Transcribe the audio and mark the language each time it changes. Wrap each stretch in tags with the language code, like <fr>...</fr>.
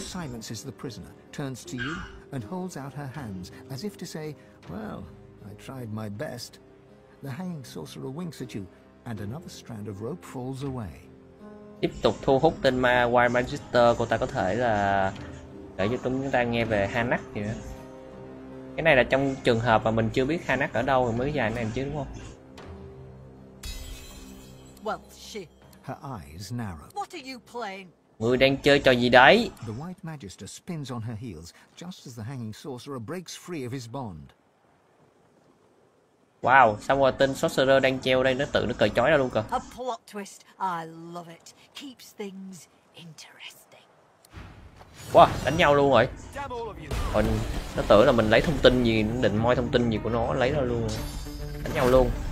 <en>Silences the prisoner, turns to you and holds out her hands as if to say, well, I tried my best. The hanging sorcerer winks at you, and another strand of rope falls away.</en> <vi>Tiếp tục thu hút tên ma White Magister, cô ta có thể là kể cho chúng ta nghe về Hanag gì đó. Cái này là trong trường hợp mà mình chưa biết Hanag ở đâu thì mới dài này chứ đúng không?</vi> <en>Well, she. Her eyes narrow. What are you playing?</en> <vi>Người đang chơi trò gì đấy?</vi> <en>The White Magister spins on her heels just as the hanging sorcerer breaks free of his bond.</en> <vi>Wow, xong rồi tên sorcerer đang treo đây nó tự nó cởi chói ra luôn cơ.</vi> <en>A plot twist, I love it. Keeps things interesting.</en> <vi>Wow, đánh nhau luôn rồi. Còn nó tưởng là mình lấy thông tin gì, nó định moi thông tin gì của nó lấy ra luôn. Đánh nhau luôn.</vi>